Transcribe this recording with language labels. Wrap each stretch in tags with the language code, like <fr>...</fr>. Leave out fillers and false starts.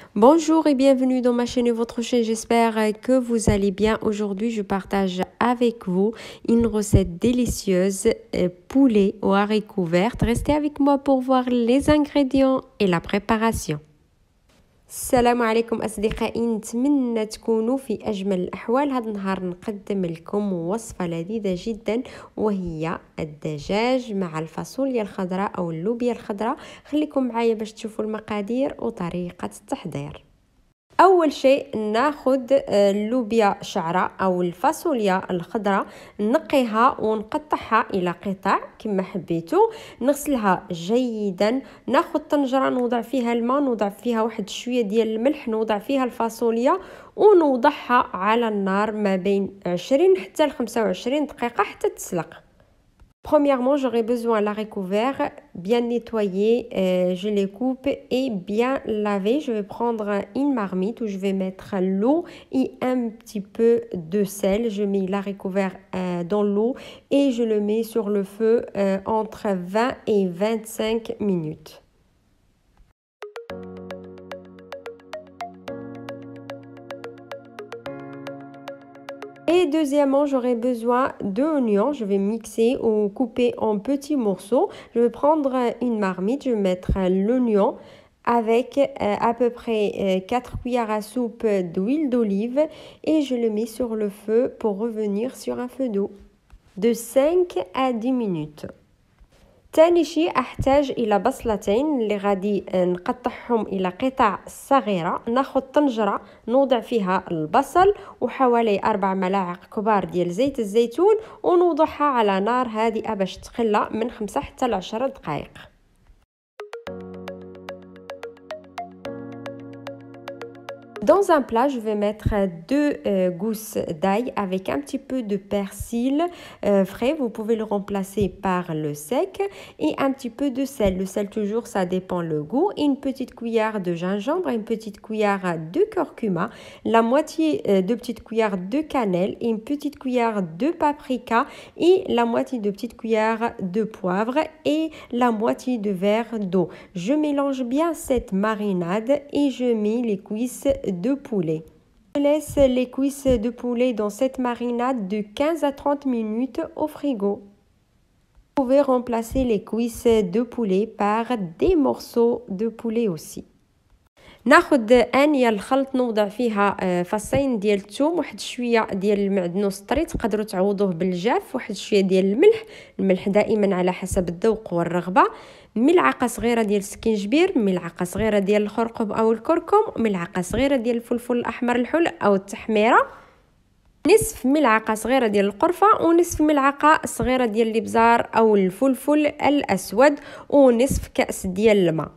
<fr>Bonjour et bienvenue dans ma chaîne et votre chaîne. J'espère que vous allez bien. Aujourd'hui, je partage avec vous une recette délicieuse, poulet aux haricots verts. Restez avec moi pour voir les ingrédients et la préparation.</fr> <ar>السلام عليكم أصدقائي، نتمنى تكونوا في أجمل الأحوال. هذا النهار نقدم لكم وصفة لذيذة جدا، وهي الدجاج مع الفاصوليا الخضراء أو اللوبيا الخضراء. خليكم معايا باش تشوفوا المقادير وطريقة التحضير. أول شيء ناخد اللوبيا شعرة أو الفاصوليا الخضراء، نقيها ونقطعها إلى قطع كما حبيتو، نغسلها جيدا. ناخد طنجرة نوضع فيها الماء، نوضع فيها واحد شوية ديال الملح، نوضع فيها الفاصوليا ونوضعها على النار ما بين 20 حتى 25 دقيقة حتى تسلق.</ar> <fr>Premièrement, j'aurai besoin d'haricots verts bien nettoyés. Je les coupe et bien lavés. Je vais prendre une marmite où je vais mettre l'eau et un petit peu de sel. Je mets l'haricot vert dans l'eau et je le mets sur le feu entre 20 et 25 minutes. Et deuxièmement, j'aurai besoin d'oignons. Je vais mixer ou couper en petits morceaux. Je vais prendre une marmite, je vais mettre l'oignon avec à peu près 4 cuillères à soupe d'huile d'olive et je le mets sur le feu pour revenir sur un feu doux de 5 à 10 minutes.</fr> <ar>ثاني شيء احتاج الى بصلتين اللي غادي نقطعهم الى قطع صغيره. ناخذ طنجره نوضع فيها البصل وحوالي 4 ملاعق كبار ديال زيت الزيتون ونوضعها على نار هادئه باش تقلى من 5 حتى 10 دقائق.</ar> <fr>Dans un plat, je vais mettre deux gousses d'ail avec un petit peu de persil frais. Vous pouvez le remplacer par le sec et un petit peu de sel. Le sel, toujours, ça dépend le goût. Une petite cuillère de gingembre, une petite cuillère de curcuma, la moitié de petite cuillère de cannelle, une petite cuillère de paprika et la moitié de petite cuillère de poivre et la moitié de verre d'eau. Je mélange bien cette marinade et je mets les cuisses de poulet. Je laisse les cuisses de poulet dans cette marinade de 15 à 30 minutes au frigo. Vous pouvez remplacer les cuisses de poulet par des morceaux de poulet aussi.</fr> <ar>ناخد انيا الخلط نوضع فيها فصين ديال الثوم، واحد شويه ديال المعدنوس طري، تقدروا تعوضوه بالجاف، واحد شويه ديال الملح، الملح دائما على حسب الذوق والرغبه، ملعقه صغيره ديال السكنجبير، ملعقه صغيره ديال الخرقوم او الكركم، ملعقه صغيره ديال الفلفل الاحمر الحل او التحميره، نصف ملعقه صغيره ديال القرفه، ونصف ملعقه صغيره ديال الابزار او الفلفل الاسود، ونصف كاس ديال الماء.</ar>